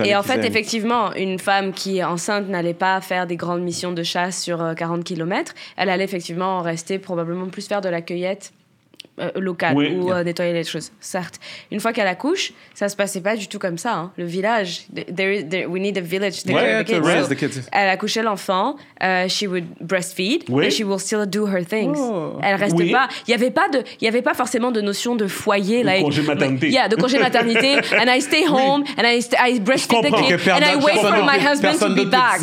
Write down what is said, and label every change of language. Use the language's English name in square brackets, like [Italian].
[French] Et en fait, effectivement, une femme qui est enceinte n'allait pas faire des grandes missions de chasse sur 40 km. Elle allait effectivement rester probablement plus faire de la cueillette local ou nettoyer les choses, certes. Une fois qu'elle accouche, ça se passait pas du tout comme ça. Hein. Le village, [English] we need a village to care for the kids. [French] Elle accouchait l'enfant, [English] she would breastfeed, and she will still do her things. [French] Oh. Elle restait pas. Il y avait pas forcément de notion de foyer, de congé maternité. De congé maternité. [English] And I stay home and I breastfeed the kids and I wait for my husband to be back.